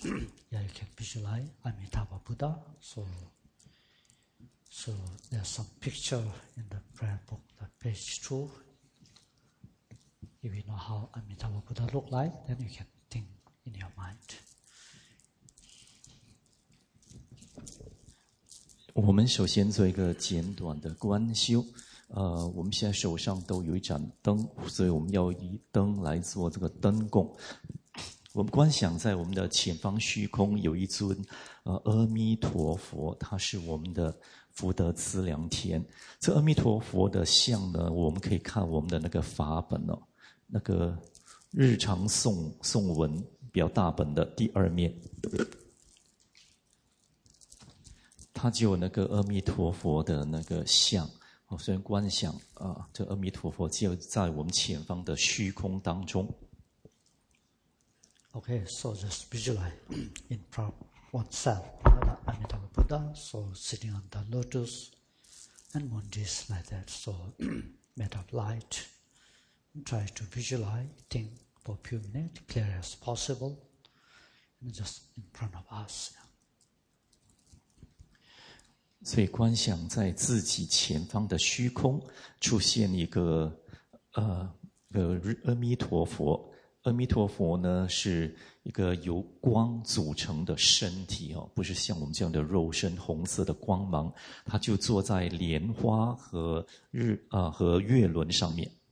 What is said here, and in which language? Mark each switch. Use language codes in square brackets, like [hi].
[en] Yeah, you can visualize Amitabha Buddha. So there's some picture in the prayer book, the page 2. If you know how Amitabha Buddha look like, then you can in your mind. [zh] 我们首先做一个简短的观修，我们现在手上都有一盏灯，所以我们要以灯来做这个灯供。我们观想在我们的前方虚空有一尊阿弥陀佛，他是我们的福德资粮天。这阿弥陀佛的像呢，我们可以看我们的那个法本哦，那个日常诵文比较大本的第二面，他就有那个阿弥陀佛的那个像，虽然观想啊，这阿弥陀佛就在我们前方的虚空当中。 [en] Okay, so just visualize in front of oneself, the Amitabha Buddha, so sitting on the lotus and mundis like that, so made of light. Try to visualize, think for a few minutes, clear as possible, and just in front of us. [zh] 所以观想在自己前方的虚空出现一个阿弥陀佛。阿弥陀佛呢是一个由光组成的身体，不是像我们这样的肉身红色的光芒，他就坐在莲花和和月轮上面。